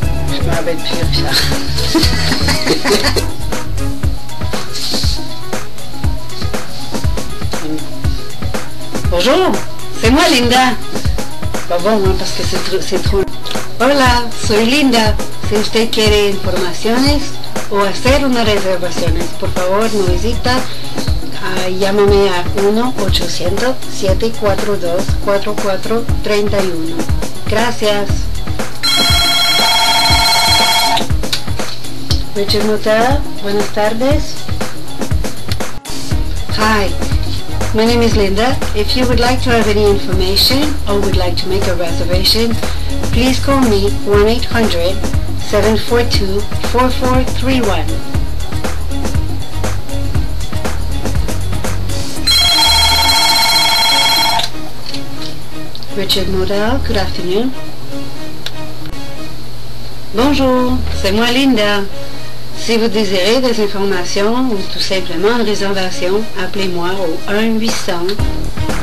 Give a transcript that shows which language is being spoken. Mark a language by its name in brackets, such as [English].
[French] Je me rappelle plus Richard. Bonjour, c'est moi Linda. Pas bon, hein, parce que c'est trop. [Spanish] Hola, soy Linda. Si usted quiere informaciones o hacer unas reservaciones, por favor, no hesita. Llámame a 1-800-742-4431. Gracias. Richard Motel, buenas tardes. [English] Hi, my name is Linda. If you would like to have any information or would like to make a reservation, please call me 1-800-742-4431. Richard Motel, good afternoon. [French] Bonjour, c'est moi Linda. Si vous désirez des informations ou tout simplement une réservation, appelez-moi au 1-800-742-4431.